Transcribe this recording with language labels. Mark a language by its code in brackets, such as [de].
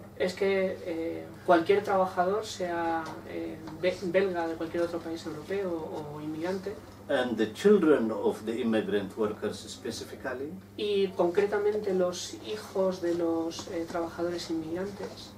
[es] es que cualquier trabajador, sea belga de cualquier otro país europeo o inmigrante, [en] and the children of the immigrant workers specifically, [es] y concretamente los hijos de los trabajadores inmigrantes,